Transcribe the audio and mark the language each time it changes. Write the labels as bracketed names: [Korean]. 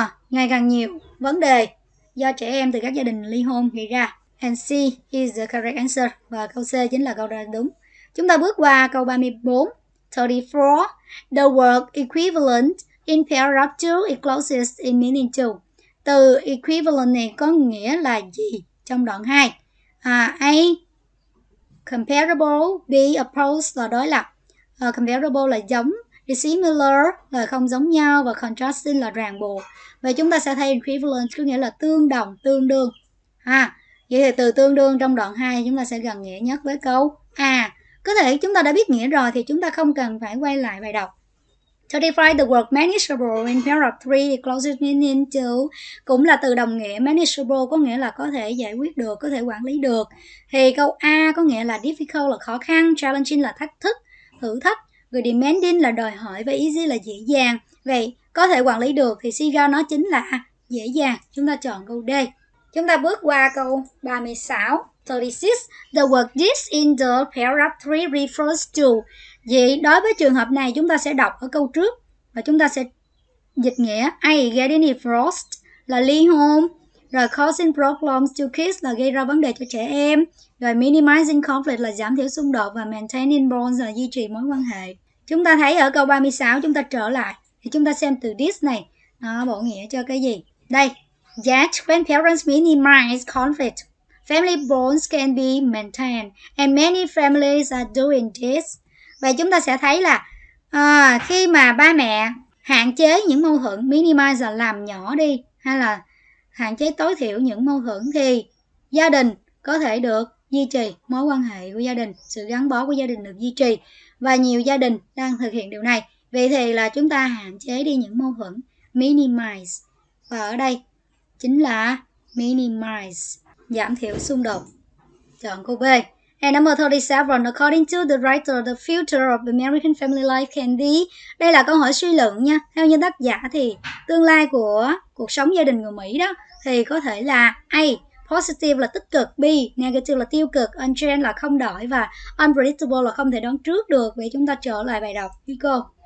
[Vietnamese] Ngày càng nhiều vấn đề do trẻ em từ các gia đình ly hôn gây ra. [English] And C is the correct answer. [Vietnamese] Và câu C chính là câu đúng. Chúng ta bước qua câu 34. 34. [English] The word equivalent in paragraph 2 is closest in meaning to. [Vietnamese] Từ equivalent này có nghĩa là gì trong đoạn 2? A. Comparable. B. Opposed là đối lập. Comparable là giống. Dissimilar là không giống nhau. Và contrasting là ràng buộc. Vậy chúng ta sẽ thấy equivalent có nghĩa là tương đồng, tương đương. Vậy thì từ tương đương trong đoạn 2 chúng ta sẽ gần nghĩa nhất với câu A. Có thể chúng ta đã biết nghĩa rồi thì chúng ta không cần phải quay lại bài đọc. [English] To define the word manageable in paragraph 3, it closes meaning to, [Vietnamese] cũng là từ đồng nghĩa manageable, có nghĩa là có thể giải quyết được, có thể quản lý được. Thì câu A có nghĩa là difficult là khó khăn, challenging là thách thức, thử thách, rồi demanding là đòi hỏi, và easy là dễ dàng. Vậy có thể quản lý được thì Siga nó chính là dễ dàng. Chúng ta chọn câu D. Chúng ta bước qua câu 36. 36. [English] The word this in the paragraph 3 refers to. [Vietnamese] Vậy đối với trường hợp này chúng ta sẽ đọc ở câu trước và chúng ta sẽ dịch nghĩa. I get any frost là ly hôn. Rồi [English] causing problems to kids [Vietnamese] là gây ra vấn đề cho trẻ em. Rồi minimizing conflict là giảm thiểu xung đột. Và maintaining bonds là duy trì mối quan hệ. Chúng ta thấy ở câu 36 chúng ta trở lại. Thì chúng ta xem từ this này nó bổ nghĩa cho cái gì. Đây. [English] Yet when parents minimize conflict, family bonds can be maintained. And many families are doing this. [Vietnamese] Vậy chúng ta sẽ thấy là khi mà ba mẹ hạn chế những mâu thuẫn, minimize là làm nhỏ đi, hay là hạn chế tối thiểu những mâu thuẫn, thì gia đình có thể được duy trì, mối quan hệ của gia đình, sự gắn bó của gia đình được duy trì. Và nhiều gia đình đang thực hiện điều này. Vậy thì là chúng ta hạn chế đi những mâu thuẫn, minimize. Và ở đây chính là minimize, giảm thiểu xung đột. Chọn câu B. [English] And number 37, according to the writer, the future of American family life can be. [Vietnamese] Đây là câu hỏi suy luận nha. Theo như tác giả thì tương lai của cuộc sống gia đình người Mỹ đó thì có thể là A, positive là tích cực, B, negative là tiêu cực, unchanged là không đổi và unpredictable là không thể đoán trước được. Vậy chúng ta trở lại bài đọc đi cô.